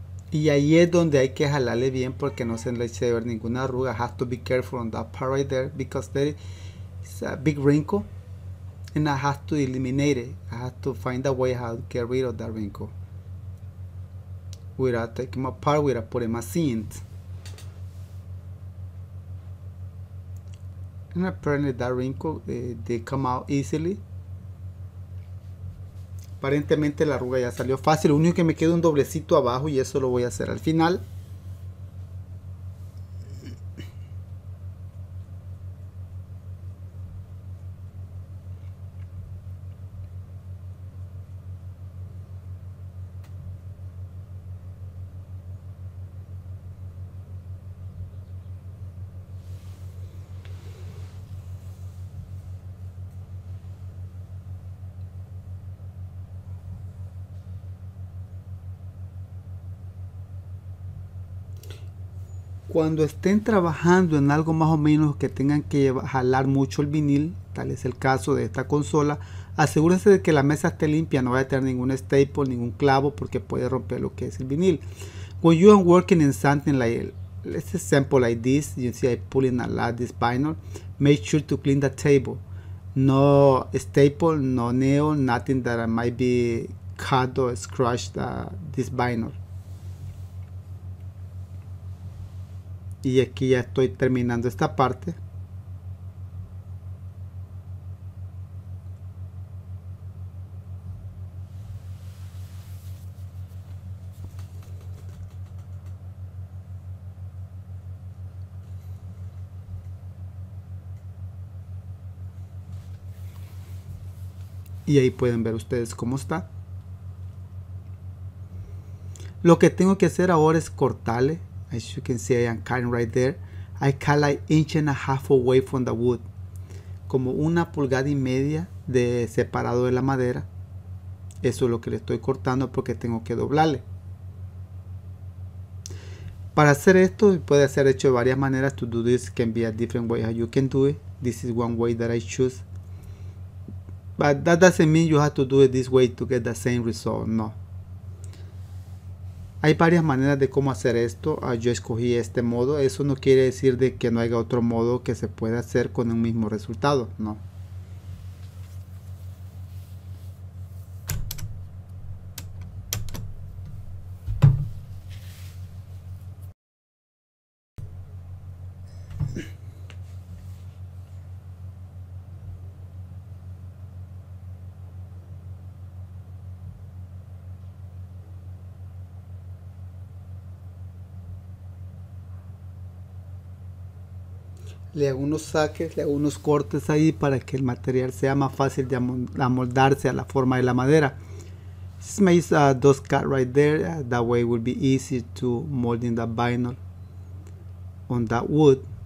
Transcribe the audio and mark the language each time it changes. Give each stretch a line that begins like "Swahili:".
Spanish: Y ahí es donde hay que jalarle bien porque no se le eche de ver ninguna arruga.
English: Have to be careful on that part right there because there is a big wrinkle and I have to eliminate it. I have to find a way how to get rid of that wrinkle without taking them apart, without putting my seams. And apparently that wrinkle did come out easily.
Spanish: Aparentemente la arruga ya salió fácil, lo único que me queda un doblecito abajo y eso lo voy a hacer al final. Cuando estén trabajando en algo más o menos que tengan que llevar, jalar mucho el vinil, tal es el caso de esta consola, asegúrense de que la mesa esté limpia, no vaya a tener ningún staple, ningún clavo, porque puede romper lo que es el vinil.
English: When you are working in something like, let's example like this, you see I pulling a lot this vinyl, make sure to clean the table. No staple, no nail, nothing that might be cut or scratched this vinyl.
Spanish: Y aquí ya estoy terminando esta parte. Y ahí pueden ver ustedes cómo está. Lo que tengo que hacer ahora es cortarle.
English: As you can see, I am cutting right there. I cut like inch and a half away from the wood.
Spanish: Como una pulgada y media de separado de la madera. Eso es lo que le estoy cortando porque tengo que doblarle. Para hacer esto, puede ser hecho de varias maneras.
English: To do this can be a different way how you can do it. This is one way that I choose. But that doesn't mean you have to do it this way to get the same result, no.
Spanish: Hay varias maneras de cómo hacer esto. Yo escogí este modo. Eso no quiere decir de que no haya otro modo que se pueda hacer con el mismo resultado, no. Le hago unos saques, le hago unos cortes ahí para que el material sea más fácil de amoldarse a la forma de la madera.
English: This makes those cut right there. That way it will be easy to molding the vinyl on that wood.